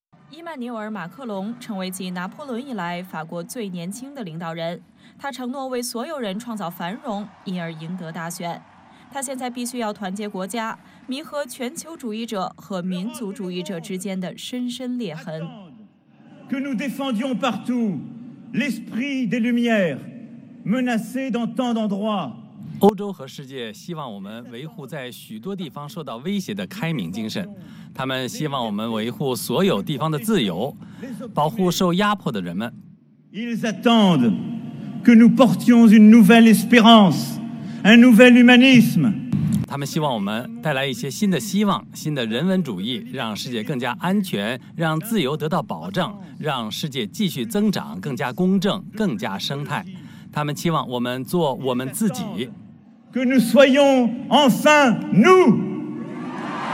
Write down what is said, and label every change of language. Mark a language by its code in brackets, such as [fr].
[zh] 伊曼纽尔·马克龙成为继拿破仑以来法国最年轻的领导人，他承诺为所有人创造繁荣，因而赢得大选。他现在必须要团结国家，弥合全球主义者和民族主义者之间的深深裂痕。 [fr] Que nous défendions partout l'esprit des Lumières menacé dans tant d'endroits。 [zh] 欧洲和世界希望我们维护在许多地方受到威胁的开明精神，他们希望我们维护所有地方的自由，保护受压迫的人们。 [fr] Ils attendent que nous portions une nouvelle espérance, un nouvel humanisme。 [zh] 他们希望我们带来一些新的希望，新的人文主义，让世界更加安全，让自由得到保证，让世界继续增长，更加公正，更加生态。他们期望我们做我们自己。 [fr] Que nous soyons enfin nous。